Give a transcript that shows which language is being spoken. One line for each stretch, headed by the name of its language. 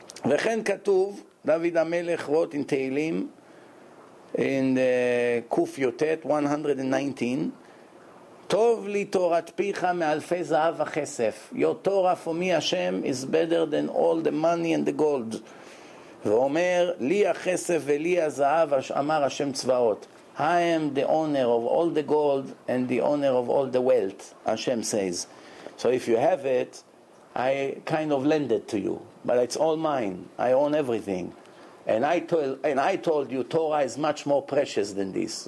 Hebrew: וכן כתוב, דוד המלך
English: wrote in Tehillim, in Kuf Yotet 119,
Hebrew: טוב לי תורת פיך מאלפי זהב וכסף.
English: Your Torah for me, Hashem, is better than all the money and the gold.
Hebrew: ואומר, לי הכסף ולי הזהב, אמר השם צבאות.
English: I am the owner of all the gold and the owner of all the wealth, Hashem says. So if you have it, I kind of lend it to you. But it's all mine. I own everything. And I told you, Torah is much more precious than this.